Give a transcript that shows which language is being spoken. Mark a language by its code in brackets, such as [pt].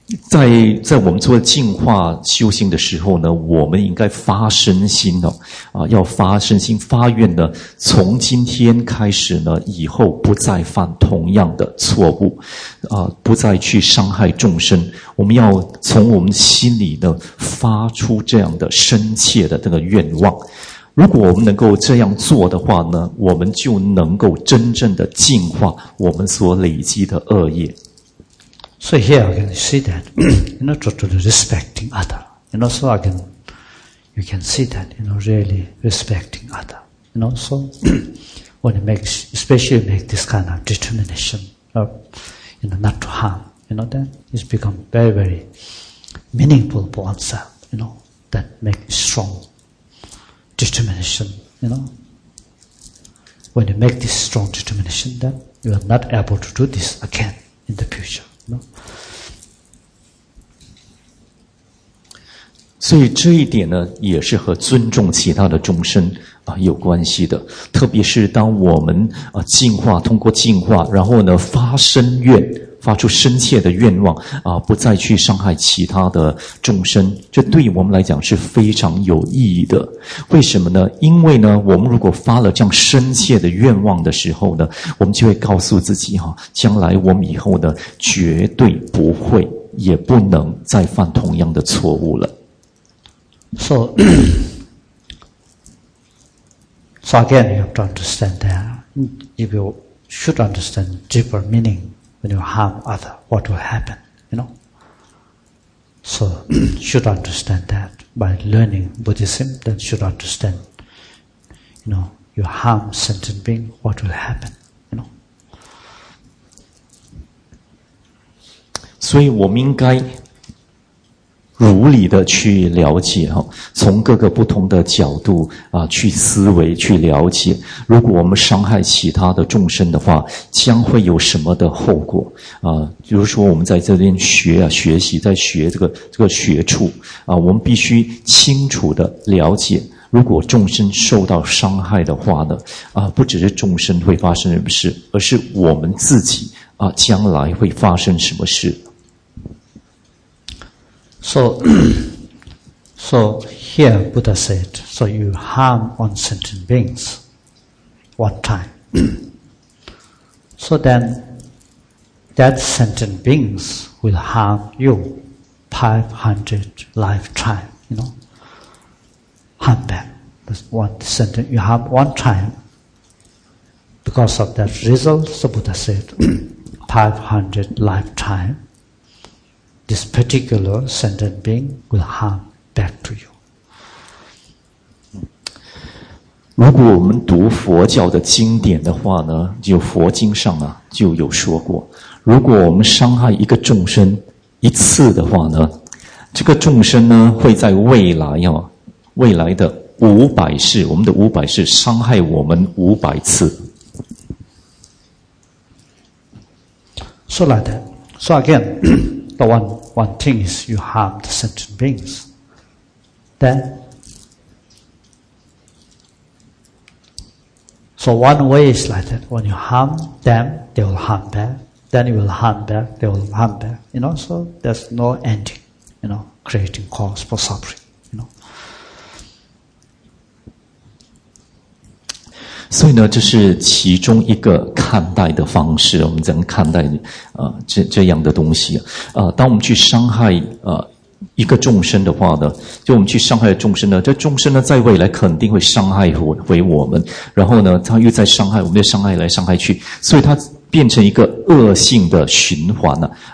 [zh] 在我们做净化修行的时候呢，我们应该发身心要发身心发愿呢，从今天开始呢，以后不再犯同样的错误不再去伤害众生，我们要从我们心里呢发出这样的深切的这个愿望，如果我们能够这样做的话呢，我们就能够真正的净化我们所累积的恶业。 [en] So here I can see that, you know, totally respecting other. You know, so again, you can see that, you know, really respecting other. You know, so when you make, especially make this kind of determination of, you know, not to harm, you know, then it's become very, very meaningful for oneself, you know, that make strong determination, you know. When you make this strong determination, then you are not able to do this again in the future. [zh] 所以这一点呢，也是和尊重其他的众生有关系的。特别是当我们净化，通过净化，然后呢发深愿，发出深切的愿望不再去伤害其他的众生，这对于我们来讲是非常有意义的。为什么呢？因为呢，我们如果发了这样深切的愿望的时候呢，我们就会告诉自己将来我们以后呢，绝对不会，也不能再犯同样的错误了。 [en] So again, you have to understand that. If you should understand deeper meaning when you harm other, what will happen, you know? So should understand that by learning Buddhism, then should understand, you know, you harm sentient being, what will happen. [zh] 所以我们应该如理的去了解从各个不同的角度去思维去了解，如果我们伤害其他的众生的话将会有什么的后果比如说我们在这边学习在学这个学处我们必须清楚的了解，如果众生受到伤害的话呢不只是众生会发生什么事，而是我们自己将来会发生什么事。 [en] So, So here Buddha said, so you harm on sentient beings. What time? So then that sentient beings will harm you 500 lifetime, you know. Harm them. You harm one time. Because of that result, so Buddha said, 500 lifetime, this particular sentient being will harm back to you. [zh] 如果我们读佛教的经典的话呢，就佛经上啊就有说过，如果我们伤害一个众生一次的话呢，这个众生呢会在未来啊，未来的五百世，我们的五百世伤害我们五百次。 [en] So like that. So again, the one thing is you harm the sentient beings. Then, so one way is like that. When you harm them, they will harm back. Then you will harm back, they will harm back. You know, so there's no ending, you know, creating cause for suffering, you know. [zh] 所以呢，这是其中一个看待的方式。我们怎么看待这样的东西？当我们去伤害一个众生的话呢，就我们去伤害众生呢，这众生呢在未来肯定会伤害回我们，然后呢，他又在伤害我们，又伤害来伤害去，所以它变成一个恶性的循环呢。